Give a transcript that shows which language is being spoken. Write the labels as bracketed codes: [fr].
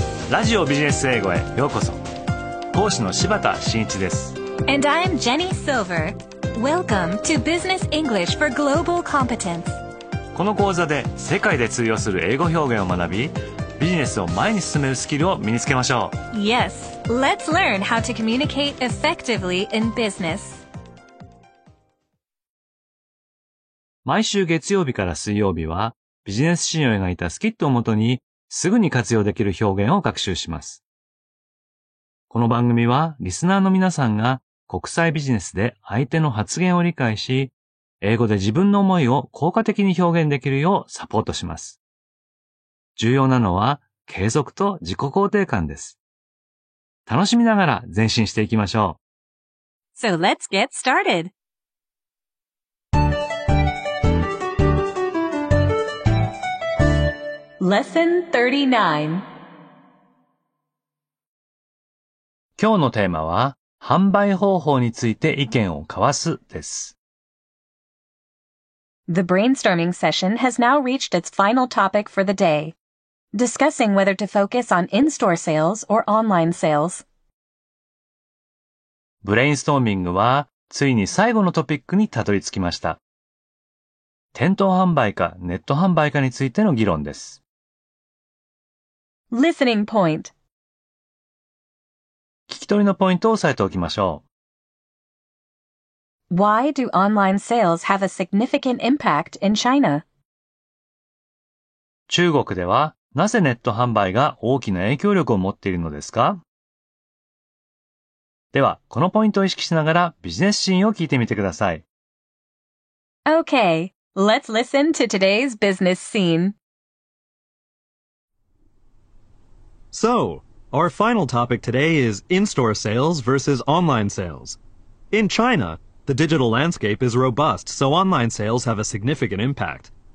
[ja] ラジオビジネス英語へようこそ。講師の柴田真一です。 [en] And I'm Jenny Silver. Welcome to Business English for Global Competence. [ja] この講座で世界で通用する英語表現を学び、ビジネスを前に進めるスキルを身につけましょう。 [en] Yes, let's learn how to communicate effectively in business. [ja] 毎週月曜日から水曜日は、ビジネスシーンを描いたスキットをもとに、すぐに活用できる表現を学習します。この番組は、リスナーの皆さんが国際ビジネスで相手の発言を理解し、英語で自分の思いを効果的に表現できるようサポートします。重要なのは、継続と自己肯定感です。楽しみながら前進していきましょう。 [en] So let's get started! Lesson 39. [ja] 今日のテーマは、販売方法について意見を交わすです。 [en] The brainstorming session has now reached its final topic for the day, discussing whether to focus on in-store sales or online sales. [ja] ブレインストーミングは、ついに最後のトピックにたどり着きました。店頭販売かネット販売かについての議論です。 [en] Listening point. [ja] 聞き取りのポイントを押さえておきましょう。 [en] Why do online sales have a significant impact in China? [ja] 中国ではなぜネット販売が大きな影響力を持っているのですか？では、このポイントを意識しながらビジネスシーンを聞いてみてください。 [en] Okay, let's listen to today's business scene. So, our final topic today is in-store sales versus online sales. In China, the digital landscape is robust, so online sales have a significant impact.